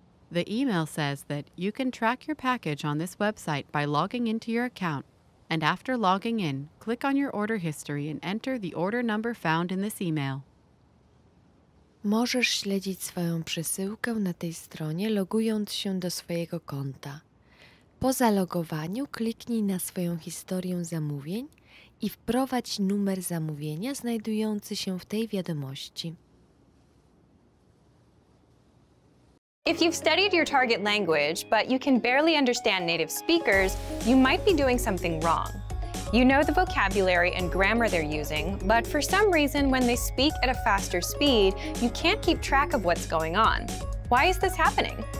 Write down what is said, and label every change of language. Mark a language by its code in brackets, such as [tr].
[en] The email says that you can track your package on this website by logging into your account. And after logging in, click on your order history and enter the order number found in this email. [pl] Możesz śledzić swoją przesyłkę na tej stronie, logując się do swojego konta. Po zalogowaniu kliknij na swoją historię zamówień i wprowadź numer zamówienia znajdujący się w tej wiadomości. [en] If you've studied your target language, but you can barely understand native speakers, you might be doing something wrong. You know the vocabulary and grammar they're using, but for some reason, when they speak at a faster speed, you can't keep track of what's going on. Why is this happening?